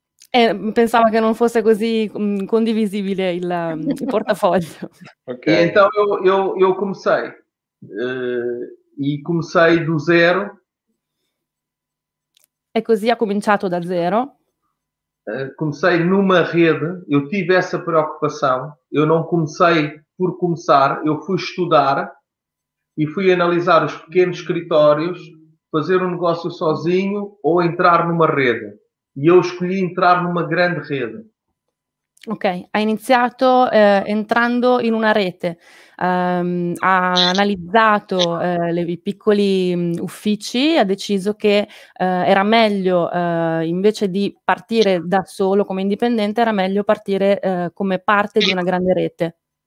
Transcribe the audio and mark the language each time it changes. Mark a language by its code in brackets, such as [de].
[it] E pensava che non fosse così condivisibile il portafoglio. [pt] Okay. E então eu comecei. E comecei do zero. [it] E così ha cominciato da zero. [pt] Comecei numa rede. Eu tive essa preocupação. Eu não comecei por começar. Eu fui estudar e fui analisar os pequenos escritórios, fazer um negócio sozinho ou entrar numa rede. E eu escolhi entrar numa grande rede. [it] Ok, ha iniziato entrando in una rete, ha analizzato i piccoli uffici, ha deciso che era meglio, invece di partire da solo come indipendente, era meglio partire come parte di una grande rete.